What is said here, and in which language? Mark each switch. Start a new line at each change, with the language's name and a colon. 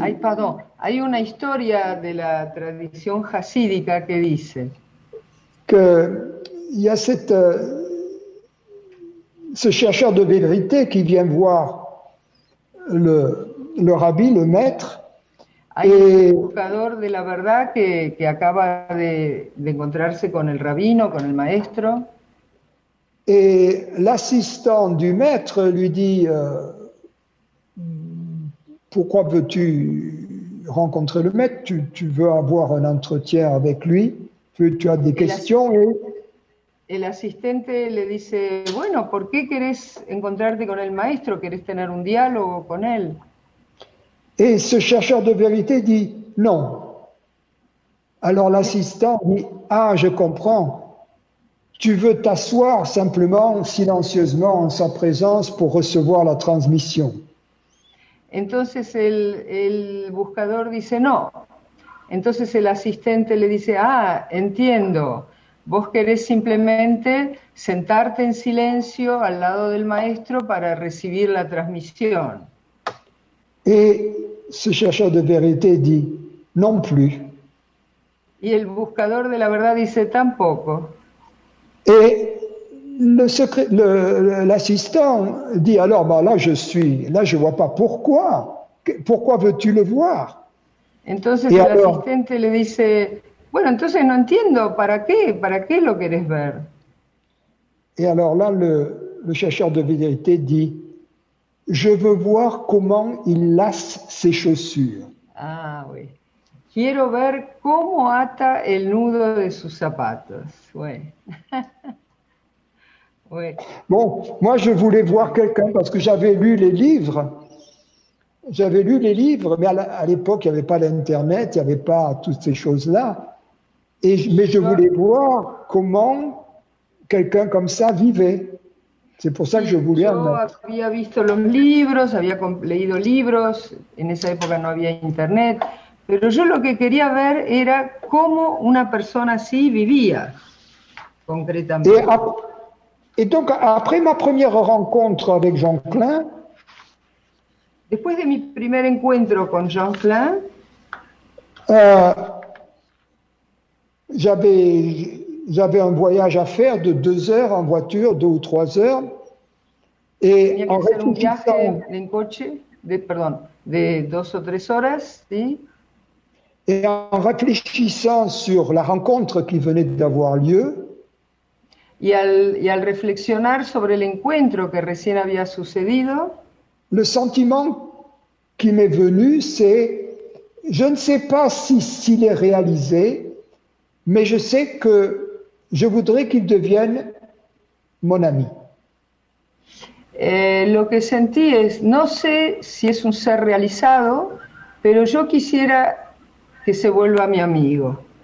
Spanish: Ay, pardon, hay una historia de la tradición hasídica que dice...
French: Que il y a cette, ce chercheur de vérité qui vient voir le rabbi, le maître.
Spanish: Hay un buscador de la verdad que acaba de encontrarse con el rabino, con el maestro.
French: Et l'assistant du maître lui dit pourquoi veux-tu rencontrer le maître? Tu veux avoir un entretien avec lui? Tu as des questions?
Spanish: El asistente le dice, bueno, ¿por qué querés encontrarte con el maestro? ¿Querés tener un diálogo con él?
French: Et ce chercheur de vérité dit non. Alors l'assistant dit, ah, je comprends. Tu veux t'asseoir simplement, silencieusement, en sa présence pour recevoir la transmission.
Spanish: Entonces el buscador dice no. Entonces el asistente le dice, ah, entiendo. Vos querés simplemente sentarte en silencio al lado del maestro para recibir la transmisión.
French: Et ce chercheur de vérité dit non plus.
Spanish: Y el buscador de la verdad dice tampoco.
French: Et l'assistant dit alors, bah là je suis, là je vois pas pourquoi. Pourquoi veux-tu le voir?
Spanish: Entonces el asistente le dice, bueno, entonces no entiendo, ¿para qué lo quieres ver?
French: Et alors là, le chercheur de vérité dit, je veux voir comment il lace ses chaussures. Ah oui.
Spanish: Quiero ver cómo ata el nudo de sus zapatos.
French: Oui. Oui. Bon, moi je voulais voir quelqu'un parce que j'avais lu les livres. J'avais lu les livres, mais à l'époque, il n'y avait pas l'Internet, il n'y avait pas toutes ces choses-là. Mais je voulais voir comment quelqu'un comme ça vivait. C'est pour ça que je voulais un maître.
Spanish: Yo había visto los libros, había leído libros, en esa época no había internet, pero yo lo que quería ver era cómo una persona así vivía, concrètement.
French: Et donc, après ma première rencontre avec Jean Klein,
Spanish: después de mi primer encuentro con Jean Klein,
French: j'avais un voyage à faire de 2 heures en voiture, 2 ou 3 heures. Et en réfléchissant,
Spanish: en coche,
French: de 2 ou 3 heures, sí. Et en réfléchissant sur la rencontre qui venait d'avoir lieu,
Spanish: et al reflexionar sobre el encuentro que recién había sucedido,
French: le sentiment qui m'est venu, c'est, je ne sais pas s'il est réalisé, mais je sais que je voudrais qu'il devienne mon ami.
Spanish: Lo que sentí es, no sé si es un ser realizado, pero yo quisiera que se vuelva mi amigo.